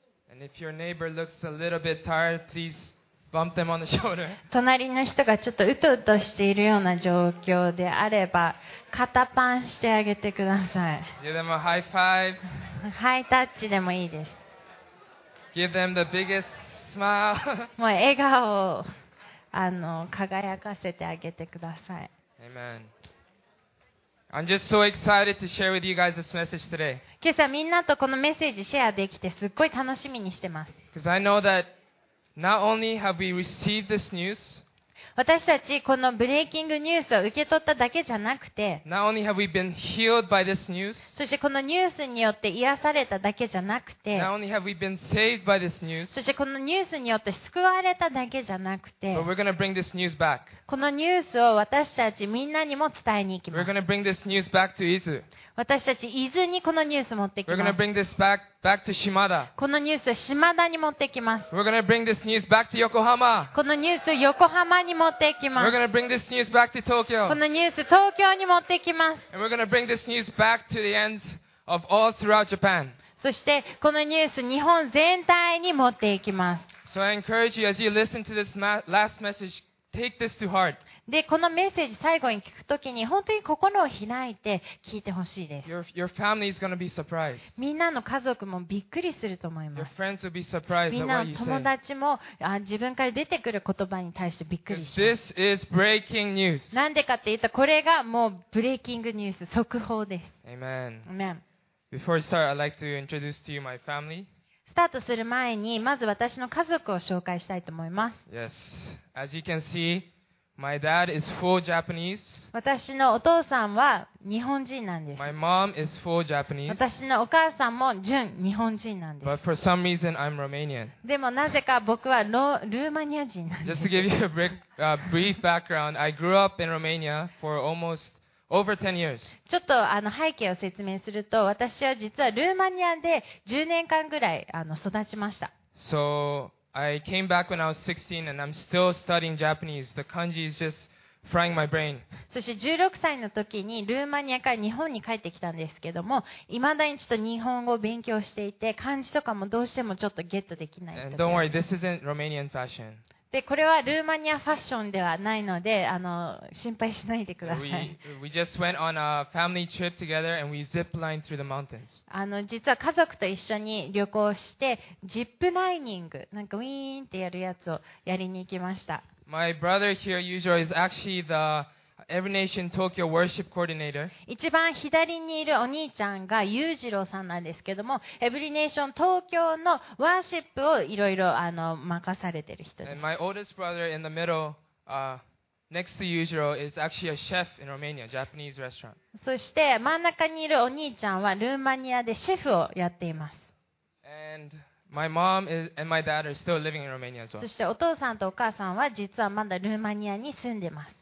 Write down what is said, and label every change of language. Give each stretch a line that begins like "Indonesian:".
English: And if your neighbor looks a little bit tired, please bump them on the shoulder.
Japanese: 隣の人がちょっとうとうとしているような状況であれば、肩パンしてあげてください。
English: Give them a high five.
Japanese: ハイタッチでもいいです。
English: Give them the biggest smile.
Japanese: もう笑顔を輝かせてあげてください。
English: Amen. I'm just so excited to share with you guys this message today.
Japanese: 今朝みんなとこのメッセージシェアできてすっごい楽しみにしてます。
English: Because I know that not only have we received this news,
Japanese: 私たちこのブレイキングニュースを受け取っただけじゃなくて、
English: not only have we been healed by this news,
Japanese: そしてこのニュースによって癒されただけじゃなくて、
English: not only have we been saved by this news,
Japanese: そしてこのニュースによって救われただけじゃなくて、
English: but we're gonna bring this news back.
Japanese: このニュースを私たちみんなにも伝えに行きます。私たち伊豆にこのニュースを持ってきます。このニュースを島田に持ってきます。このニュースを横浜に持ってきます。
English: We're gonna bring this news back to Tokyo.
Japanese: このニュースを東京に持ってきます。
English: And we're gonna bring this news back to the ends of all throughout Japan.
Japanese: そしてこのニュースを日本全体に持っていきます。
English: So I encourage you as you listen to this last message. Take this to heart.
Japanese: で、このメッセージ最後に聞くときに本当に心を開いて聞いてほしいです。
English: Your family is gonna be surprised.
Japanese: みんなの家族もびっくりすると思います。
English: Your friends will be surprised at what you say.
Japanese: みんなの友達も自分から出てくる言葉に対してびっくりします。
English: This is breaking news.
Japanese: なんでかって言ったらこれがもうブレイキングニュース、速報です。
English: Amen. Amen. Before we start, I'd like to introduce to you my family.
Japanese: スタートする前にまず私の家族を紹介したいと思います。
English: Yes. As you can see, my dad is full Japanese.
Japanese: 私のお父さんは日本人なんです。
English: My mom is full Japanese.
Japanese: 私のお母さんも純日本人なんです。
English: But for some reason, I'm Romanian.
Japanese: でもなぜか僕はルーマニア人なんです。
English: Just to give you a brief background, I grew up in Romania for almost over 10 years.
Japanese: ちょっと背景を説明すると、私は実はルーマニアで10年間ぐらい育ちました。
English: So, I came back when I was 16 and I'm still studying Japanese. The kanji is just frying my brain.
Japanese: そして16歳の時にルーマニアから日本に帰ってきたんですけども、未だにちょっと日本語を勉強していて、漢字とかもどうしてもちょっとゲットできない。
English: And don't worry, this isn't Romanian fashion.
Japanese: でこれはルーマニアファッションではないので心配しないでください。
English: We just went on a family trip together and we ziplined through the mountains.
Japanese: 実は家族と一緒に旅行してジップライニングなんかウィーンってやるやつをやりに行きました。
English: My brother here, Yujiro, is actually the Every Nation Tokyo Worship Coordinator.
Japanese: 一番左にいるお兄ちゃんが Yujiro さんなんですけども、Every Nation Tokyo のワーシップをいろいろ任されてる人です。
English: And my oldest brother in the middle, next to Yujiro, is actually a chef in Romania, Japanese restaurant.
Japanese: そして真ん中にいるお兄ちゃんはルーマニアでシェフをやっています。
English: And my mom and my dad are still living in Romania as well.
Japanese: そしてお父さんとお母さんは実はまだルーマニアに住んでます。